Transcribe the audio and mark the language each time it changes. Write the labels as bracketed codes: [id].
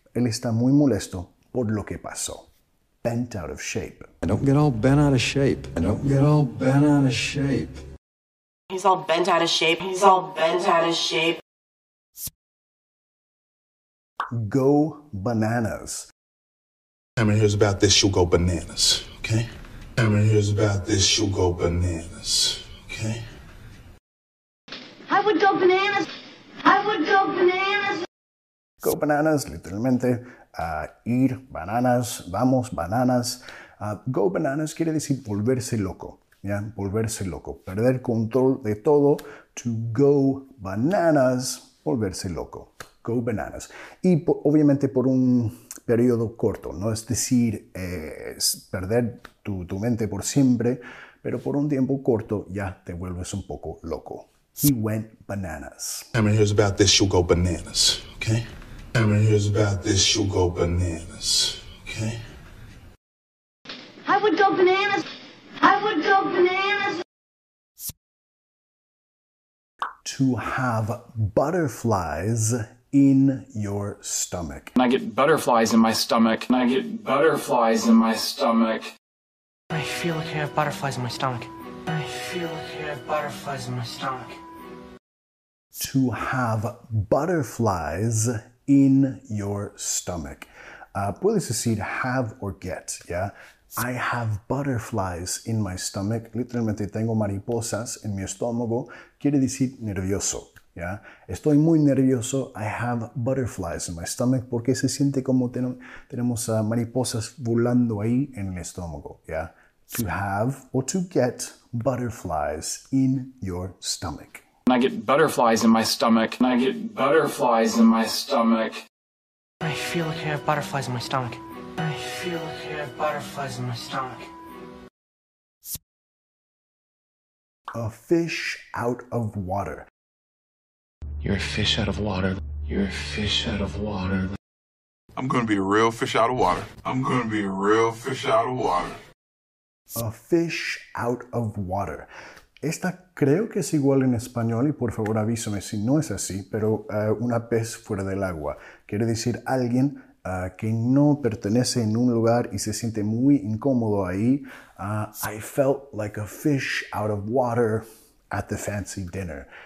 [es] Él está muy molesto por lo que pasó. [en] Bent out of shape. I don't get all bent out of shape. I don't get all bent out of shape. He's all bent out of shape. He's all bent out of shape. Go bananas. Cameron hears about this, she'll go bananas, okay? Cameron hears about this, she'll go bananas, okay? I would go bananas. I would go bananas. Go bananas, [es] literalmente, ir bananas, vamos bananas. Go bananas quiere decir volverse loco, ¿ya? Volverse loco, perder control de todo. [en] To go bananas, [es] volverse loco. [en] Go bananas. [es] Y obviamente por un periodo corto, no es decir es perder tu mente por siempre, pero por un tiempo corto ya te vuelves un poco loco. [en] He went bananas. Cameron hears about this, she'll go bananas, okay? Cameron hears about this, she'll go bananas, okay? I would go bananas. I would go bananas. To have butterflies in your stomach. And I get butterflies in my stomach. And I get butterflies in my stomach. I feel like I have butterflies in my stomach. I feel like I have butterflies in my stomach. To have butterflies in your stomach. [es] Puedes decir [en] have or get, yeah? I have butterflies in my stomach. [es] Literalmente, tengo mariposas en mi estómago. Quiere decir nervioso, yeah? Estoy muy nervioso. [en] I have butterflies in my stomach. [es] Porque se siente como tenemos mariposas volando ahí en el estómago, yeah? [en] To have or to get butterflies in your stomach. And I get butterflies in my stomach. And I get butterflies in my stomach. I feel like I have butterflies in my stomach. I feel like I have butterflies in my stomach. A fish out of water. You're a fish out of water. You're a fish out of water. I'm gonna be a real fish out of water. I'm gonna be a real fish out of water. A fish out of water. [es] Esta creo que es igual en español y por favor avísame si no es así, pero una pez fuera del agua. Quiere decir alguien que no pertenece en un lugar y se siente muy incómodo ahí. [en] I felt like a fish out of water at the fancy dinner.